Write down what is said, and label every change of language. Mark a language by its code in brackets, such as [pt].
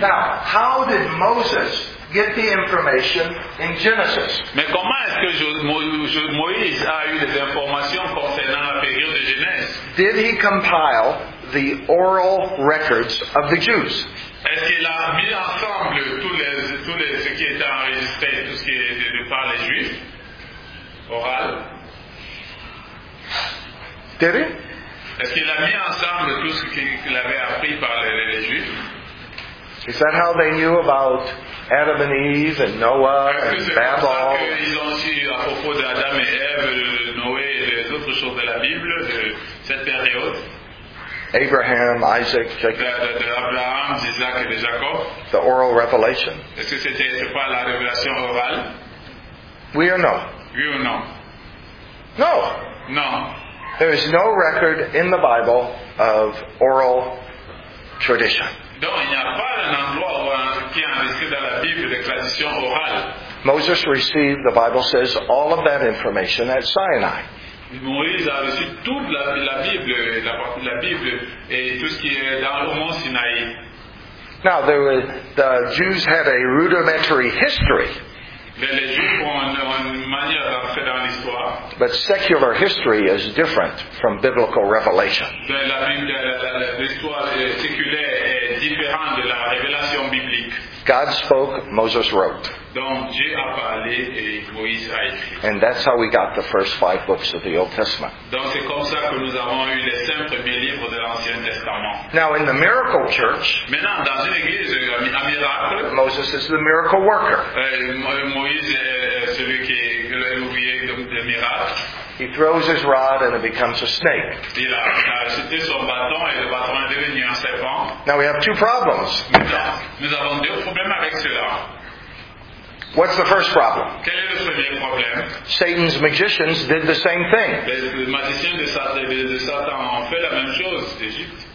[en] Now, how did Moses get the information in Genesis? [fr] Mais comment est-ce que Moïse a eu des informations concernant la période de Genèse? [en] Did he compile the oral records of the Jews? [fr] Est-ce qu'il a mis ensemble tous les ce qui était enregistré, tout ce qui est de par les Juifs, oral? [en] Did he? [fr] Est-ce qu'il a mis ensemble tout ce qu'il avait appris par les Juifs? [en] Is that how they knew about Adam and Eve and Noah and Babel? [fr] Ils ont su à propos d'Adam et Ève, Noé et les autres choses de la Bible de cette période. [en] Abraham, Isaac, Jacob. [fr] Abraham, Isaac et Jacob. [en] The oral revelation. [fr] Est-ce que c'était pas la révélation orale? Oui ou non? Oui ou non? [en] No. No. There is no record in the Bible of oral tradition. [fr] Donc il n'y a pas un endroit où on qui enregistre dans la Bible de tradition orale. [en] Moses received, the Bible says, all of that information at Sinai. [fr] Moïse a reçu toute la Bible, la partie de la Bible et tout ce qui est dans le mont Sinaï. [en] Now, the Jews had a rudimentary history. [fr] Les Juifs ont une manière d'entrer dans l'histoire. [en] But secular history is different from biblical revelation. [fr] L'histoire séculaire est différente de la révélation biblique. [en] God spoke, Moses wrote. [fr] Donc, Dieu a parlé et Moïse a écrit. [en] And that's how we got the first five books of the Old Testament. [fr] Donc, c'est comme ça que nous avons eu les cinq premiers livres de l'Ancien Testament. [en] Now, in the miracle church, [fr] maintenant, dans une église, un miracle, [en] Moses is the miracle worker. [fr] Moïse est celui qui est l'ouvrier de miracle. [en] He throws his rod and it becomes a snake. [fr] Il a jeté son bâton et le bâton est devenu un serpent. [en] Now we have two problems. [fr] Nous avons deux problèmes avec cela. [en] What's the first problem? [fr] Quel est le premier problème? [en] Satan's magicians did the same thing. [fr] Les magiciens de Satan ont fait la même chose d'Égypte.